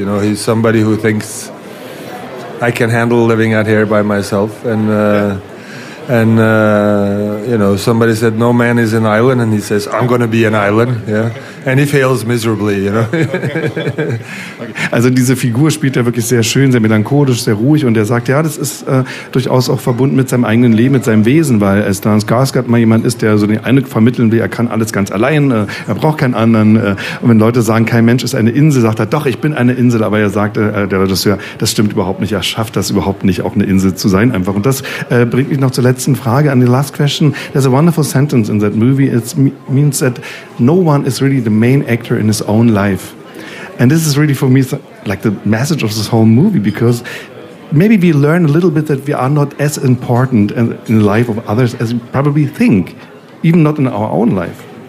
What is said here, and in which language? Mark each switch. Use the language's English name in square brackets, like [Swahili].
[English] You know, he's somebody who thinks I can handle living out here by myself, and and you know, somebody said no man is an island, and he says I'm going to be an island. Yeah. And he fails miserably, you know. [German] Also diese Figur spielt er wirklich sehr schön, sehr melancholisch, sehr ruhig. Und er sagt, ja, das ist durchaus auch verbunden mit seinem eigenen Leben, mit seinem Wesen, weil Stellan Skarsgård mal jemand ist, der so den Eindruck vermitteln will, er kann alles ganz allein, er braucht keinen anderen. Und wenn Leute sagen, kein Mensch ist eine Insel, sagt er, doch, ich bin eine Insel. Aber er sagt, der Regisseur, das stimmt überhaupt nicht. Er schafft das überhaupt nicht, auch eine Insel zu sein einfach. Und das bringt mich noch zur letzten Frage, an die [English] last question. There's a wonderful sentence in that movie. It means that no one is really the main actor in his own life. And this is really for me like the message of this whole movie, because maybe we learn a little bit that we are not as important in the life of others as we probably think, even not in our own life.